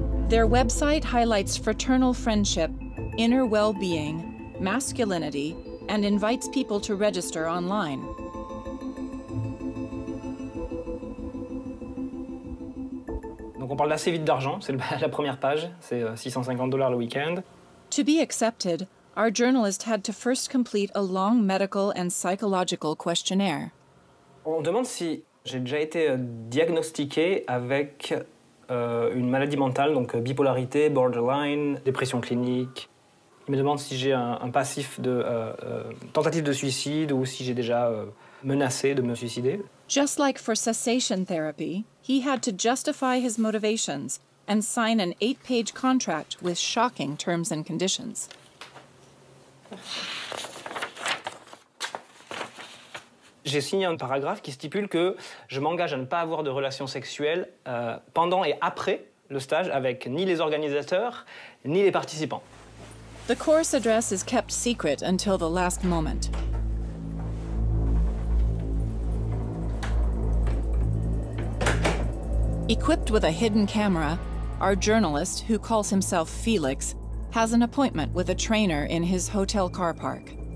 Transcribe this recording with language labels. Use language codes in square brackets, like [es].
[en] Their website highlights fraternal friendship, inner well-being, masculinity, and invites people to register online. [fr] On parle assez vite d'argent, c'est la première page, c'est $650 le week-end. [en] To be accepted, our journalist had to first complete a long medical and psychological questionnaire. [fr] On demande si j'ai déjà été diagnostiqué avec une maladie mentale, donc bipolarité, borderline, dépression clinique. Il me demande si j'ai un passif de tentative de suicide ou si j'ai déjà menacé de me suicider. [en] Just like for cessation therapy, he had to justify his motivations and sign an 8-page contract with shocking terms and conditions. [fr] J'ai signé un paragraphe qui stipule que je m'engage à ne pas avoir de relations sexuelles pendant et après le stage avec ni les organisateurs ni les participants. [en] The course address is kept secret until the last moment. Equipped with a hidden camera, our journalist, who calls himself Felix, has an appointment with a trainer in his hotel car park.